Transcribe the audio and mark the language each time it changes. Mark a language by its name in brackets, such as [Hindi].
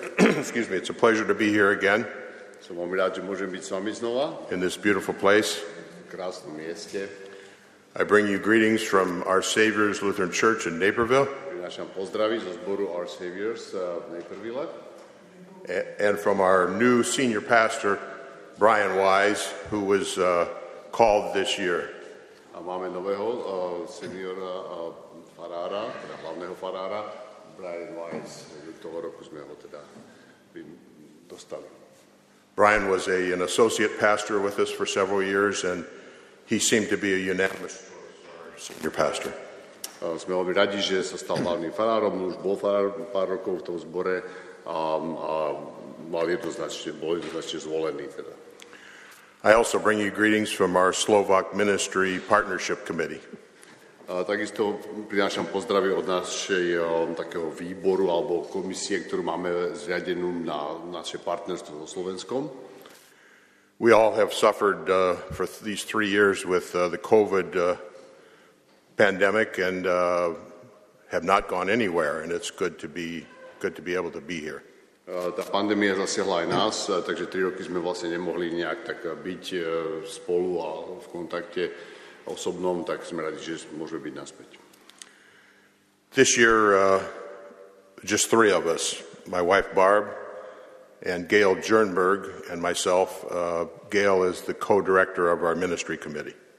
[English] Excuse me. It's a pleasure to be here again. [Slovak] Som veľmi rád, že môžem byť s vami znova. [English] In this beautiful place. [Slovak] V krásnom mieste. [English] I bring you greetings from Our Savior's Lutheran Church in Naperville. [Slovak] Prinášam pozdravy zo zboru Our Savior's v Naperville. [English] And from our new senior pastor, Brian Wise, who was called this year. [Slovak] A máme nového seniora farára, teda hlavného farára, Brian Wise. Toho roku sme ho teda dostali. [English] Brian was an associate pastor with us for several years, and he seemed to be a unanimous senior pastor. [Slovak] Sme veľmi radi, že sa stal hlavným farárom. Už bol farár pár rokov v tom zbore a bol jednoznačne zvolený teda. [English] I also bring you greetings from our Slovak Ministry Partnership Committee. [Slovak] Takisto prinášam pozdravy od našej takého výboru alebo komisie, ktorú máme zriadenú na naše partnerstvo so Slovenskom. [English] We all have suffered for these 3 years with the COVID pandemic and have not gone anywhere, and it's good to be able to be here. [Slovak] Tá pandémia zasiahla aj nás, takže 3 roky sme vlastne nemohli nejak tak byť spolu a v kontakte osobnom, tak sme radi, že môžeme byť naspäť. [English] This year, just 3 of us, my wife Barb and Gail Jernberg and myself, Gail is the co-director of our ministry committee.